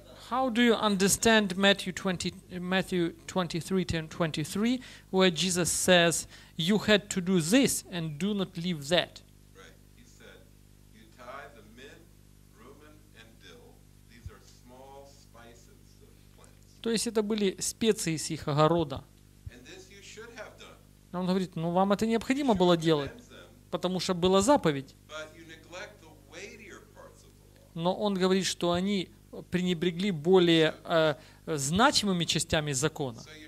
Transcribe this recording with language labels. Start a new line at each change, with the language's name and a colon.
English: How do you understand Matthew 23:10-23, where Jesus says, "You had to do this and do not leave that"? Right. He said, "You tithe the mint, rumen, and dill. These are small spices of plants."
Russian: То есть это были специи с их огорода.
English: And this you should have done.
Russian: Он говорит, ну вам это необходимо было делать, потому что была заповедь.
English: But you neglect the weightier parts of the law.
Russian: Но он говорит, что они пренебрегли более значимыми частями закона.